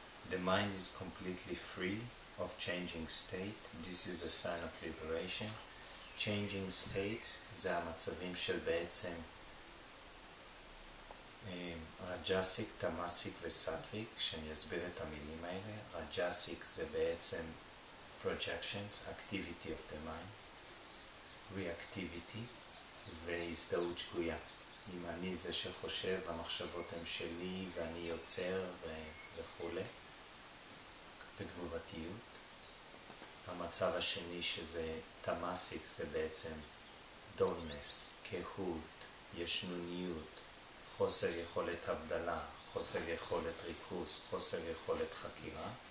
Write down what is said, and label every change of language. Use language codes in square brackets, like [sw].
[en] The mind is completely free of changing state. This is a sign of liberation. [he] Changing states, זה המצבים של בעצם רג'סיק, תמאסיק וסאטוויק, כשאני אסביר את המילים האלה. רג'סיק זה בעצם [en] projections, activity of the mind, reactivity, [he] והזדהות שגויה. אם אני זה שחושב, המחשבות הן שלי ואני יוצר וכו'. בתגובתיות. המצב השני שזה תמאסיק, זה בעצם דולנס, כהות, ישנוניות, חוסר יכולת הבדלה, חוסר יכולת ריכוז, חוסר יכולת חקירה.